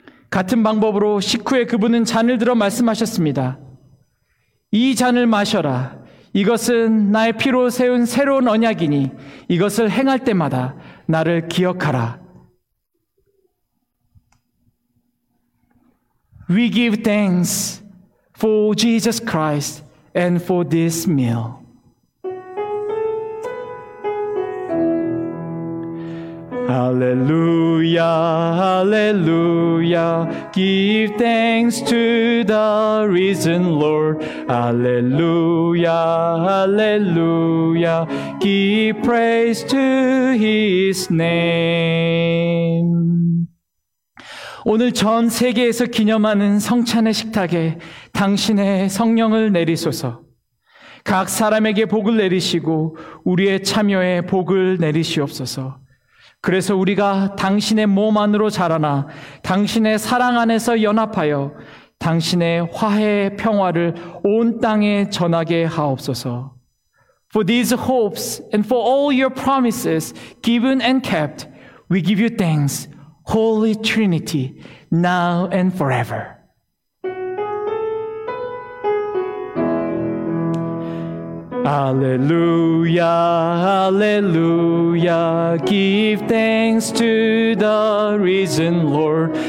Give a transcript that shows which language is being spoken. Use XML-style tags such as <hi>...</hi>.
<ko>같은 방법으로 식후에 그분은 잔을 들어 말씀하셨습니다. 이 잔을 마셔라. 이것은 나의 피로 세운 새로운 언약이니 이것을 행할 때마다 나를 기억하라.</ko> <en>We give thanks for Jesus Christ and for this meal. 할렐루야, 할렐루야, give thanks to the risen Lord. 할렐루야, 할렐루야, give praise to his name.</en> <ko>오늘 전 세계에서 기념하는 성찬의 식탁에 당신의 성령을 내리소서. 각 사람에게 복을 내리시고 우리의 참여에 복을 내리시옵소서. 그래서 우리가 당신의 몸 안으로 자라나 당신의 사랑 안에서 연합하여 당신의 화해의 평화를 온 땅에 전하게 하옵소서.</ko> <en>For these hopes and for all your promises given and kept, we give you thanks, Holy Trinity, now and forever. 알렐루야, 알렐루야, give thanks to the risen Lord.</en>